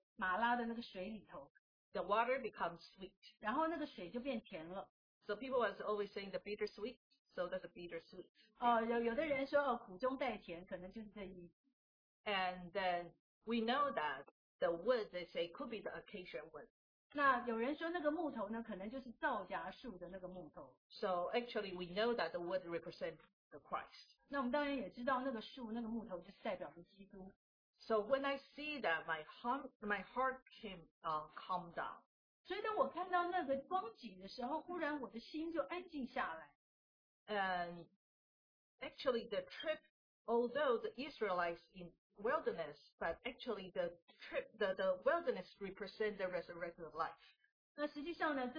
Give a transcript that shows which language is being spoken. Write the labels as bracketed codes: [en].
[zh] 那神就叫摩西呢，把一个木头或是树丢在那个马拉的那个水里头。 [en] The water becomes sweet. [zh] 然后那个水就变甜了。 [en] So people are always saying the bitter sweet, so that's a bitter sweet. [zh] 哦，有的人说哦，苦中带甜，可能就是这意思。 [en] And then we know that the wood they say could be the acacia wood. [zh] 那有人说那个木头呢，可能就是皂荚树的那个木头。 [en] So actually we know that the wood represents the Christ. [zh] 那我们当然也知道那个树、那个木头就是代表着基督。 [en] So when I see that, my heart came calm down. [zh] 所以当我看到那个光景的时候，忽然我的心就安静下来。 [en] And actually, the trip, although the Israelites in wilderness, but actually the trip, the wilderness represents the resurrection of life.